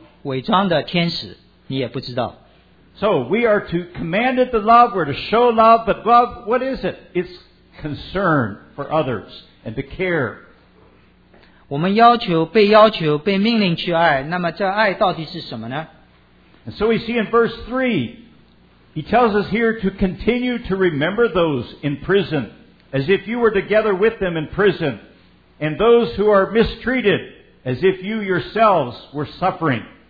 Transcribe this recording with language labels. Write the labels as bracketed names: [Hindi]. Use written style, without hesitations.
[Chinese] 也许我们不知道这个人是怎么样，也许他们是穿着伪装的天使，你也不知道。 [English] So we are to command it to love, we're to show love, but love, what is it? It's concern for others and to care. [Chinese] 我们要求被命令去爱，那么这爱到底是什么呢？ [English] And so we see in verse 3, he tells us here to continue to remember those in prison. As if you were together with them in prison, and those who are mistreated, as if you yourselves were suffering.